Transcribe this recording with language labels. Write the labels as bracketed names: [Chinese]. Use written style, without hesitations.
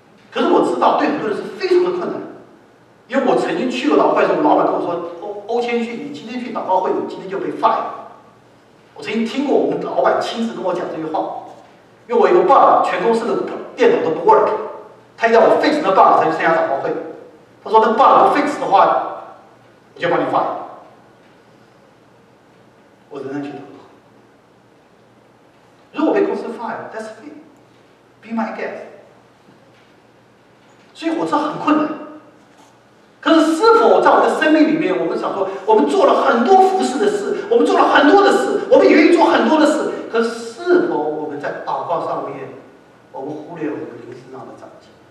[Chinese] 可是我知道，对很多人是非常的困难，因为我曾经去过祷告会，时候老板跟我说：“欧谦逊，你今天去祷告会，你今天就被 fire。” 我曾经听过我们老板亲自跟我讲这句话，因为我一个 bug， 全公司的电脑都不 work， 他要我 fix 那 bug 才去参加祷告会。他说：“那 bug 不 fix 的话，我就把你 fire。” 我仍然去祷告。如果被公司 fire， [English] that's fine， be my guest。 [Chinese] 所以我知道很困难。可是是否在我的生命里面，我们想说，我们做了很多服事的事，我们做了很多的事，我们也愿意做很多的事。可是否我们在祷告上面，我们忽略我们灵性上的长进？